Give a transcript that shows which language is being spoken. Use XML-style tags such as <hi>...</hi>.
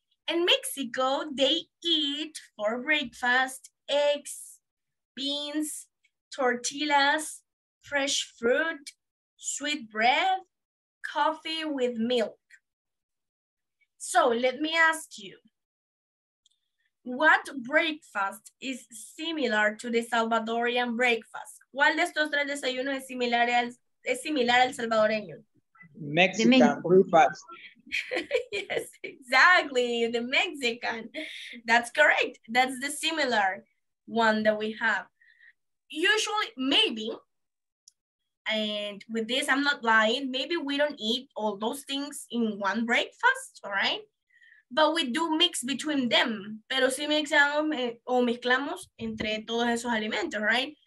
<en>In Mexico, they eat for breakfast eggs, beans, tortillas, fresh fruit, sweet bread, coffee with milk. So let me ask you, what breakfast is similar to the Salvadorian breakfast?</en> <es>¿Cuál de estos tres desayunos es similar al salvadoreño?</es> <en>Mexican breakfast. Yes, exactly, the Mexican. That's correct. That's the similar one that we have. Usually, maybe, and with this, I'm not lying, maybe we don't eat all those things in one breakfast, all right? But we do mix between them.</en> <es>Pero sí mezclamos entre todos esos alimentos, right?</es>